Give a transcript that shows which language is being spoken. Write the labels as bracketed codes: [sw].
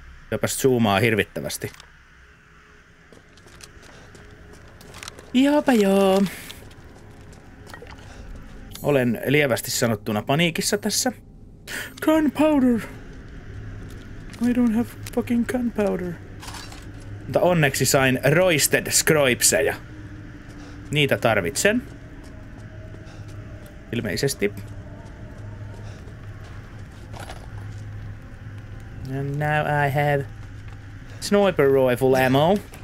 [fi] Jopas zoomaa hirvittävästi. Jopa joo. Olen lievästi sanottuna paniikissa tässä. [en] Gunpowder! I don't have fucking gunpowder. [fi] Mutta onneksi sain roisted scribesejä. Niitä tarvitsen. Ilmeisesti. [en] And now I have sniper rifle ammo.